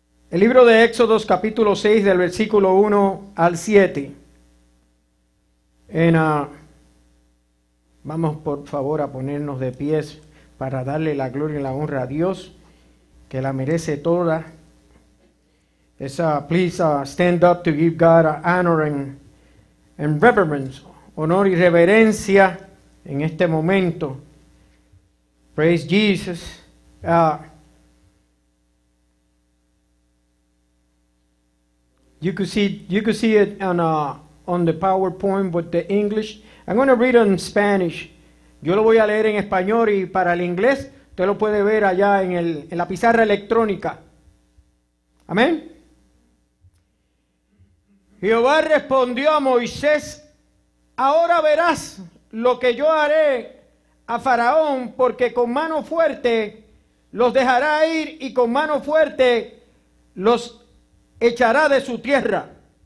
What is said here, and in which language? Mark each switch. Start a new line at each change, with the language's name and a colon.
Spanish: El libro de Éxodos, capítulo 6, del versículo 1 al 7. Vamos por favor a ponernos de pies para darle la gloria y la honra a Dios, que la merece toda.
English: Stand up to give God honor and reverence.
Spanish: Honor y reverencia en este momento.
English: Praise Jesus. You could see it on the PowerPoint with the English. I'm going to read in Spanish.
Spanish: Yo lo voy a leer en español, y para el inglés usted lo puede ver allá en la pizarra electrónica. Amén. Jehová respondió a Moisés: ahora verás lo que yo haré a Faraón, porque con mano fuerte los dejará ir y con mano fuerte los echará de su tierra.